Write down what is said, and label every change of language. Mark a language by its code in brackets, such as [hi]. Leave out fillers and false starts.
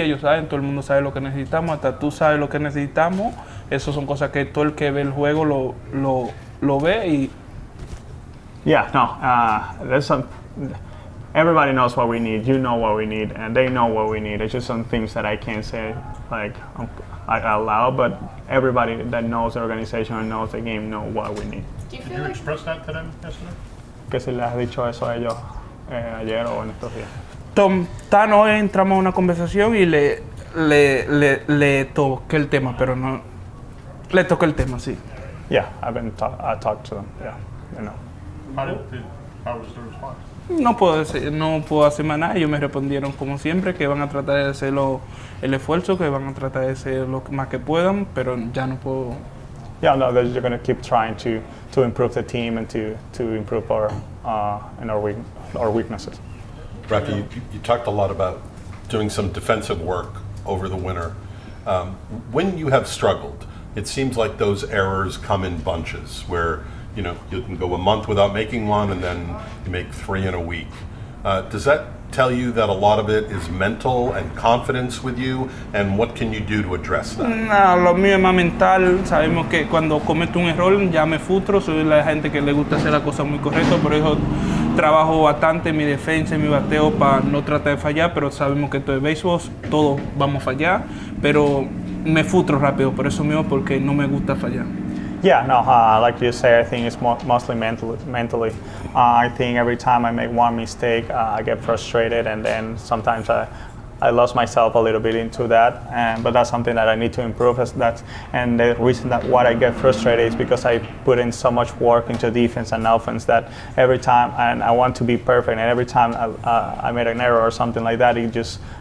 [es] Ellos saben, todo el mundo sabe lo que necesitamos, hasta tú sabes lo que necesitamos. Eso son cosas que todo el que ve el juego lo ve y... [en] Yeah, no, there's some... Everybody knows what we need, you know what we need, and they know what we need. It's just some things that I can't say like out loud, but everybody that knows the organization and knows the game know what we need. Did you that to them yesterday? [es] Que si les has dicho eso a ellos ayer o en estos días. Tan hoy entramos a una conversación y le toqué el tema, pero no... Le toqué el tema, sí. [en] Yeah, I talked to them, yeah, you know. How was the response? [es] No puedo hacer más nada. Ellos me respondieron como siempre que van a tratar de hacer el esfuerzo, que van a tratar de hacer lo más que puedan, pero ya no puedo. [en] Yeah, no, they're going to keep trying to improve the team and to improve our weaknesses. Rafi, you talked a lot about doing some defensive work over the winter. When you have struggled, it seems like those errors come in bunches where, you know, you can go a month without making one, and then you make three in a week. Does that tell you that a lot of it is mental and confidence with you? And what can you do to address that? [es] No, lo mío es más mental. Sabemos que cuando cometo un error, ya me frustro. Soy la gente que le gusta hacer las cosas muy correctas. Por eso trabajo bastante en mi defensa y mi bateo para no tratar de fallar. Pero sabemos que esto es béisbol, todos vamos a fallar. Pero me frustro rápido, por eso mismo, porque no me gusta fallar. [en] Yeah, no, like you say, I think it's mostly mentally. I think every time I make one mistake, I get frustrated, and then sometimes I lose myself a little bit into that. But that's something that I need to improve. And the reason that what I get frustrated is because I put in so much work into defense and offense that every time, and I want to be perfect, and every time I made an error or something like that, it just...